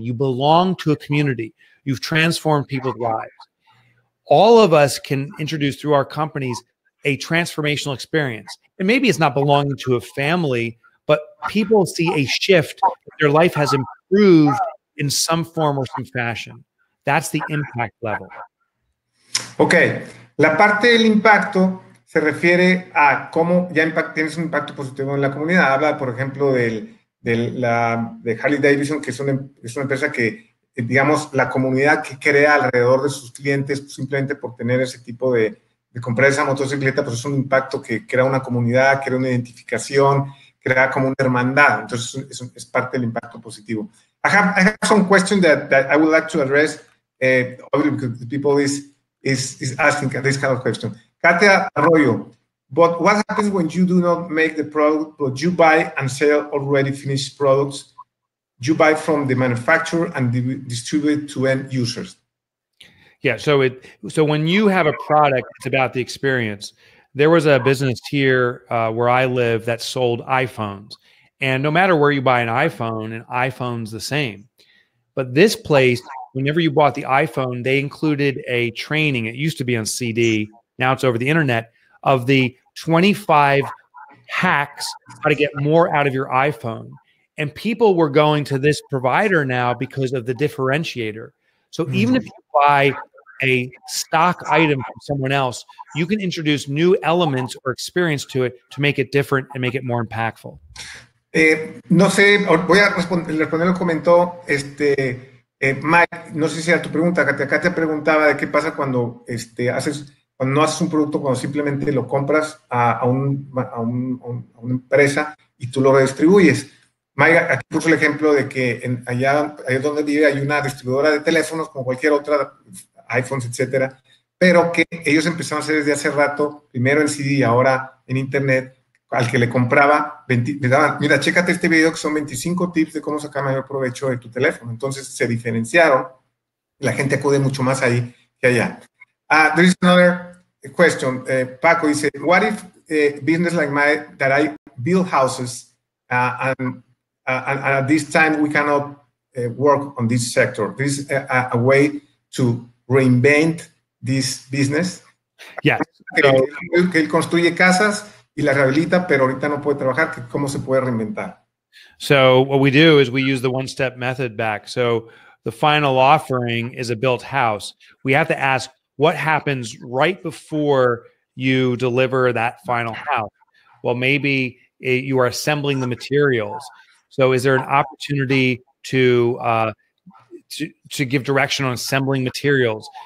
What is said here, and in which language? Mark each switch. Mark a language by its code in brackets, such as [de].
[en] You belong to a community. You've transformed people's lives. All of us can introduce through our companies a transformational experience. And maybe it's not belonging to a family, but people see a shift. Their life has improved in some form or some fashion. That's the impact level. Okay. [es] La parte del impacto se refiere a cómo ya tienes un impacto positivo en la comunidad. Habla, por ejemplo, de Harley Davidson, que es una empresa que, digamos, la comunidad que crea alrededor de sus clientes simplemente por tener ese tipo de comprar esa motocicleta, pues es un impacto que crea una comunidad, crea una identificación, crea como una hermandad. Entonces, es parte del impacto positivo. [en] I have some questions that I would like to address, obviously, because the people is asking this kind of question. Katia Arroyo, but what happens when you do not make the product, but you buy and sell already finished products? You buy from the manufacturer and distribute to end users. Yeah, so when you have a product, it's about the experience. There was a business here where I live that sold iPhones. And no matter where you buy an iPhone's the same. But this place, whenever you bought the iPhone, they included a training. It used to be on CD, now it's over the internet, of the 25 hacks how to get more out of your iPhone. And people were going to this provider now because of the differentiator. So even if you buy a stock item from someone else, you can introduce new elements or experience to it to make it different and make it more impactful. [es] No sé, voy a responder lo que comentó Mike. No sé si era tu pregunta. Katia preguntaba de qué pasa cuando cuando no haces un producto, cuando simplemente lo compras a una empresa y tú lo redistribuyes. Maya, aquí puso el ejemplo de que allá donde vive hay una distribuidora de teléfonos como cualquier otra, iPhones, etcétera, pero que ellos empezaron a hacer desde hace rato, primero en CD y ahora en internet, al que le compraba, le daban, mira, chécate este video que son 25 tips de cómo sacar mayor provecho de tu teléfono. Entonces se diferenciaron y la gente acude mucho más ahí que allá. [en] There is another question. [es] Paco dice, [en] what if business like mine that I build houses and at this time we cannot work on this sector. This is a way to reinvent this business. Yes. [es] Que él construye casas y las rehabilita, pero ahorita no puede trabajar. ¿Cómo se puede reinventar? [en] So what we do is we use the one-step method back. So the final offering is a built house. We have to ask, what happens right before you deliver that final house? Well, maybe you are assembling the materials. So is there an opportunity to give direction on assembling materials?